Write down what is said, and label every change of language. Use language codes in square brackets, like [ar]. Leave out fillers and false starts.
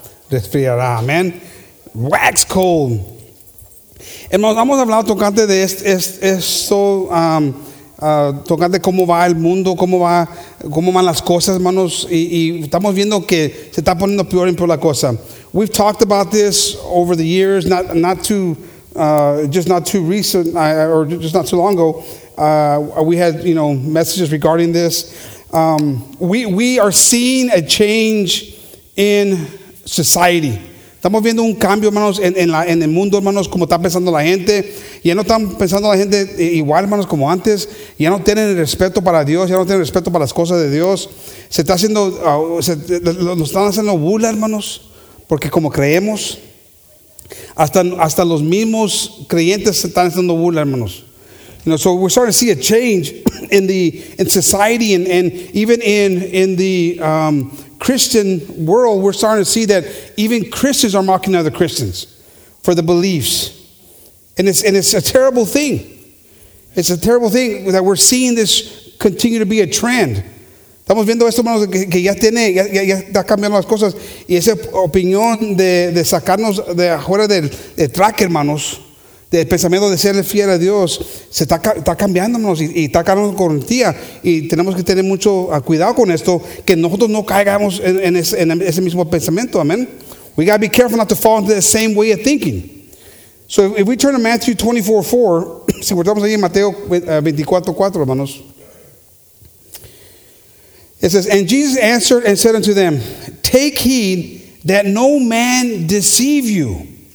[es] Resfriará, amén. [en] Wax cold. [es] Hermanos, vamos a hablar tocante de esto, tocante cómo va el mundo, cómo van las cosas, hermanos, y estamos viendo que se está poniendo peor y peor la cosa. [en] We've talked about this over the years, not too recent, or just not too long ago. We had messages regarding this. We are seeing a change in society. [es] Estamos viendo un cambio, hermanos, en el mundo, hermanos, como está pensando la gente. Ya no están pensando la gente igual, hermanos, como antes. Ya no tienen respeto para Dios, ya no tienen respeto para las cosas de Dios. Se está haciendo, nos están haciendo burla, hermanos, porque como creemos, hasta los mismos creyentes se están haciendo burla, hermanos. [en] You know, so we're starting to see a change in society and even in the Christian world. We're starting to see that even Christians are mocking other Christians for the beliefs, and it's a terrible thing. It's a terrible thing that we're seeing this continue to be a trend. [es] Estamos viendo esto, hermanos, que ya tiene, ya está cambiando las cosas, y esa opinión de sacarnos de afuera del track, hermanos. El pensamiento de ser fiel a Dios se está cambiándonos y está cambiando con garantía, y tenemos que tener mucho cuidado con esto, que nosotros no caigamos en ese mismo pensamiento. [en] Amen. We gotta be careful not to fall into the same way of thinking. So if we turn to Matthew 24:4, [es] si guardamos ahí en Mateo 24:4, hermanos, [en] it says, "And Jesus answered and said unto them, Take heed that no man deceive you.